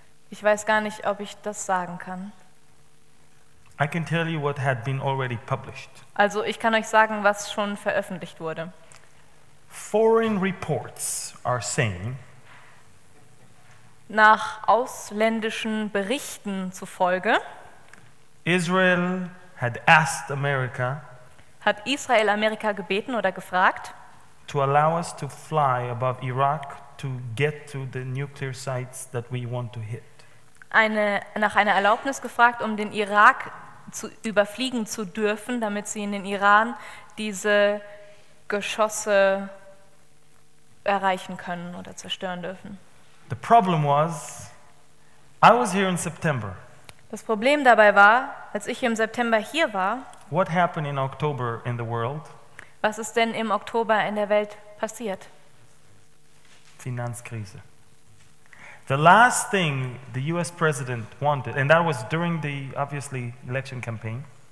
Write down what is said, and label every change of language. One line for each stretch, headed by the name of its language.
German: Ich weiß gar nicht, ob ich das sagen kann.
English: I can tell you what had been already published.
German: Also ich kann euch sagen, was schon veröffentlicht wurde.
English: Foreign reports are saying,
German: nach ausländischen Berichten zufolge,
English: Israel had asked America,
German: hat Israel Amerika gebeten oder gefragt,
English: to allow us to fly above Iraq to get to the nuclear sites that we want to hit.
German: Nach einer Erlaubnis gefragt, um den Irak zu überfliegen zu dürfen, damit sie in den Iran diese Geschosse erreichen können oder zerstören dürfen.
English: The problem was, I was here in September.
German: Das Problem dabei war, als ich im September hier war,
English: what happened in October in the world?
German: Was ist denn im Oktober in der Welt passiert? Finanzkrise.
English: The last thing the US president wanted, and that was during the obviously election campaign.